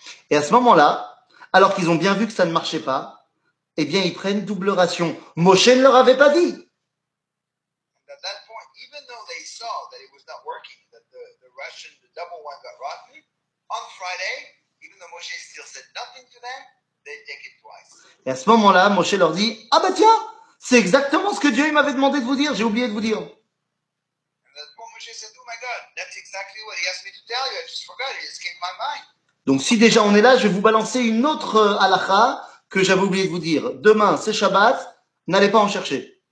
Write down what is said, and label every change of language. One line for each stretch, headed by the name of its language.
French: Et à ce moment-là, alors qu'ils ont bien vu que ça ne marchait pas, eh bien, ils prennent double ration. Moshe ne leur avait pas dit.
English: Even though they saw that it was not working, that the Russian, the double one got rotten, on Friday, even though Moshe still said nothing to them, they take it twice.
French: Et à ce moment-là, Moshe leur dit, ah bah tiens, c'est exactement ce que Dieu m'avait demandé de vous dire, j'ai oublié de vous dire.
English: And that's what Moshe said, oh my God, that's exactly what he asked me to tell you, I just forgot, it escaped my mind.
French: Donc si déjà on est là, je vais vous balancer une autre halakha que j'avais oublié de vous dire. Demain, c'est Shabbat, n'allez pas en chercher.